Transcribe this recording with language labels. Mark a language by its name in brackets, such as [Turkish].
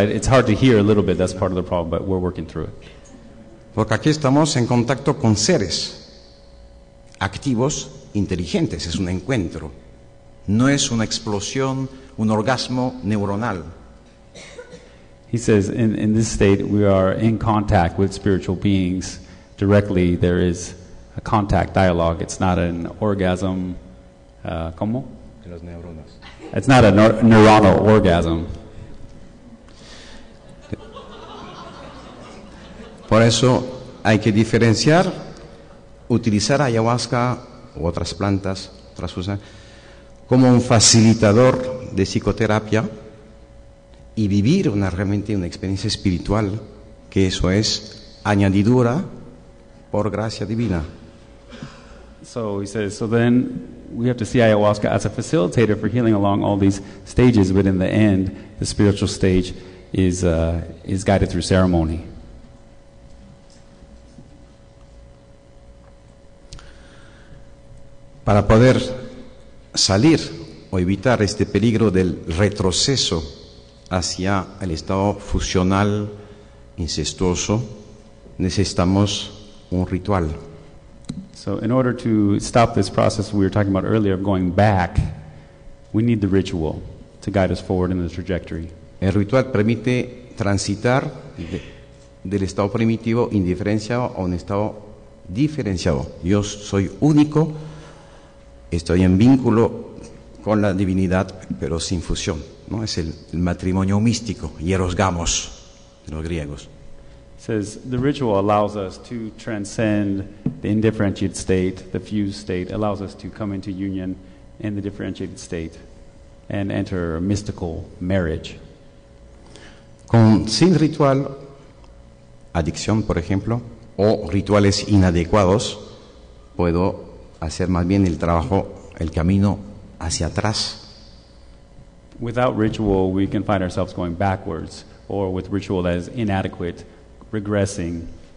[English] It's hard to hear a little bit. That's part of the problem, but we're working through it. [Spanish] Porque aquí estamos en contacto con seres activos, inteligentes. Es un encuentro. No es una explosión, un orgasmo neuronal. [English] He says, in this state, we are in contact with spiritual beings. Directly, there is a contact dialogue. It's not an orgasm. [Spanish] ¿Cómo? En las neuronas. [English] It's not a neuronal orgasm. [Spanish] Por eso hay que diferenciar, utilizar ayahuasca u otras plantas, otras cosas, como un facilitador de psicoterapia y vivir realmente una experiencia espiritual, que eso es añadidura por gracia divina. [English] So he says, so then we have to see ayahuasca as a facilitator for healing along all these stages, but in the end, the spiritual stage is guided through ceremony. [Spanish] Para poder salir o evitar este peligro del retroceso hacia el estado fusional incestuoso, necesitamos un ritual. [English] So in order to stop this process we were talking about earlier of going back, we need the ritual to guide us forward in the trajectory. [Spanish] El ritual permite transitar del estado primitivo indiferenciado a un estado diferenciado. Yo soy único. Estoy en vínculo con la divinidad, pero sin fusión. No es el matrimonio místico, hieros gamos, de los griegos. [English] It says the ritual allows us to transcend the indifferentiated state, the fused state, allows us to come into union in the differentiated state and enter a mystical marriage. [Spanish] Sin ritual, adicción, por ejemplo, o rituales inadecuados, puedo hacer más bien el trabajo, el camino hacia atrás. [English] Without ritual, we can find ourselves going backwards, or with ritual that is inadequate, regressing.